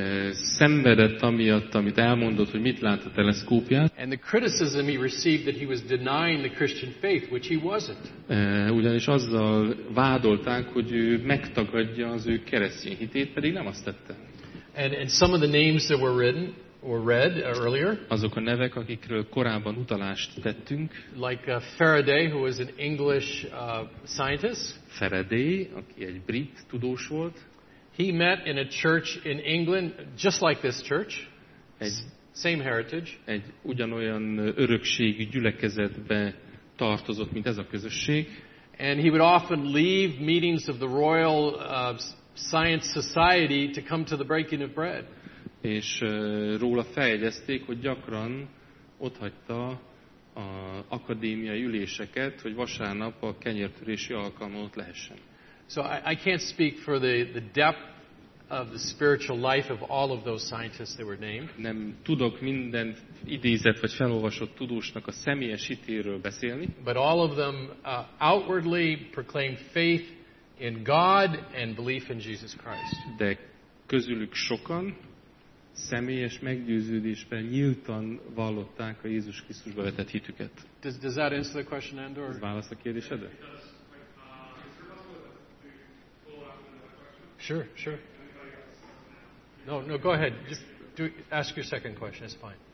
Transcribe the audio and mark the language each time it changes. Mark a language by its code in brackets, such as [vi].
[hu] Szenvedett amiatt, amit elmondott, hogy mit lát a teleszkópját. [en] And the criticism he received that he was denying the Christian faith, which he wasn't. [hu] Ugyanis azzal vádolták, hogy ő megtagadja az ő keresztény hitét, pedig nem azt tette. [en] And some of the names that were written or read earlier. [hu] Azok a nevek, akikről korábban utalást tettünk. [en] Like Faraday, who was an English scientist. [hu] Faraday, aki egy brit tudós volt. [en] He met in a church in England, just like this church, same heritage. [hu] Egy ugyanolyan örökségű gyülekezetbe tartozott, mint ez a közösség. [en] And he would often leave meetings of the Royal Science Society to come to the breaking of bread. [hu] És róla feljegyezték, hogy gyakran otthagyta az akadémiai üléseket, hogy vasárnap a kenyértörési alkalmon ott lehessen. [en] So I can't speak for the depth of the spiritual life of all of those scientists that were named. [hu] Nem tudok minden idézett vagy felolvasott tudósnak a személyes hitéről beszélni. [en] But all of them outwardly proclaimed faith in God and belief in Jesus Christ. [hu] De közülük sokan személyes meggyőződésben nyíltan vallották a Jézus Krisztusba vetett hitüket. [en] Does that answer the question, Andor? [hu] Ez válasz a kérdésedre? [en] Sure. No, go ahead. Just ask your second question. It's fine.